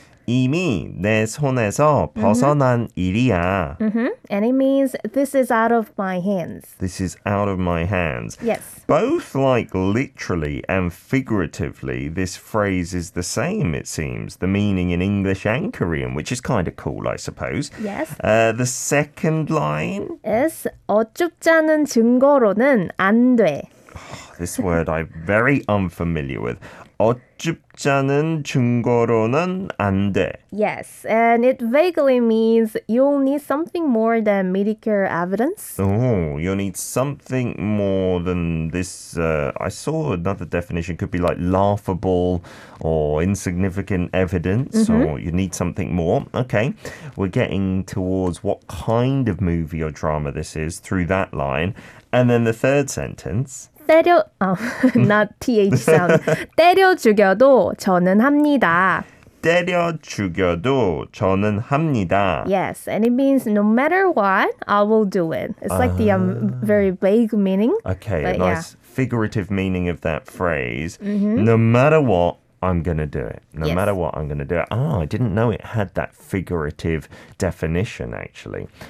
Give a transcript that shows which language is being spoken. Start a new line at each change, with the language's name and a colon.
Korean: 이미 내 손에서 벗어난 일이야.
English: And it means this is out of my hands. This is out of my hands. Yes. Both like literally and figuratively, this phrase is the same, it seems. The meaning in English and Korean, which is kind of cool, I suppose. Yes. The second line is
Korean: 어쭙잖은 증거로는 안 돼.
English: This word I'm very unfamiliar with.
Korean: 어쭙잖은 증거로는 안 돼.
English: Yes, and it vaguely means you'll need something more than medical evidence. Oh, you'll need something more than this. I saw another definition. Could be like laughable or insignificant evidence. Or you need something more. Okay, we're getting towards what kind of movie or drama this is through that line. And then the third sentence.
Korean: 때려,
English: not TH sound.
Korean: 때려 죽여도 저는 합니다. 때려 죽여도 저는 합니다.
English: Yes, and it means no matter what, I will do it. It's like the very vague meaning. Okay, a nice figurative meaning of that phrase. No matter what, I'm going to do it. No matter what, I'm going to do it. Oh, I didn't know it had that figurative definition, actually.